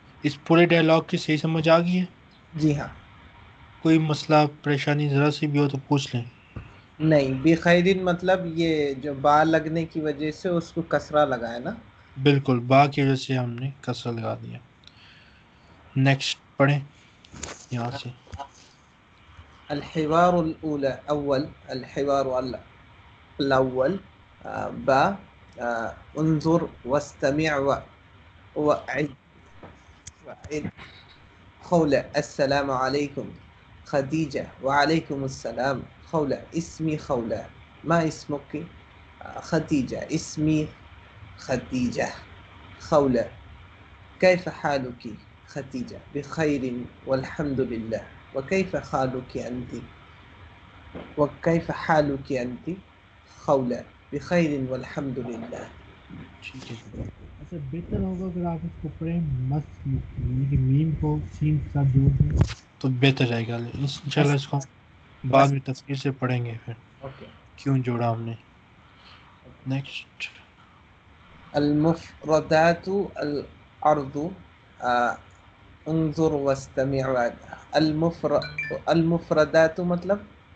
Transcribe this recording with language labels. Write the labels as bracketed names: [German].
[Hindi] इस पूरे डायलॉग की सही समझ आ गई है? जी हाँ. कोई मसला परेशानी ज़रा सी भी हो तो पूछ लें. नहीं, बिखैरिन मतलब ये जो बा लगने की वजह से उसको कसरा लगा है ना? बिल्कुल, बा की वजह से हमने कसरा लगा दिया. नेक्स्ट पढ़ें यहाँ से. [Arabic] الحوار الأول أول الحوار الأول با انظر واستمع وأعد خولة السلام عليكم خديجة وعليكم السلام خولة اسمي خولة ما اسمك خديجة اسمي خديجة خولة كيف حالك خديجة بخير والحمد لله وكيف حالك أنت وكيف حالك أنت خولة بخير والحمد لله. [Hindi] अच्छा, बेहतर होगा अगर आप इसको पढ़ें मस्त यानी कि मीम को सीन के साथ जोड़ दें तो बेहतर रहेगा. इंशाल्लाह इसको बाद में तफसील से पढ़ेंगे फिर. ओके. क्यों जोड़ा हमने. नेक्स्ट. [Arabic] अल मुफरदातु अल अर्दु انظر واستمع अल मुफरदातु मतलब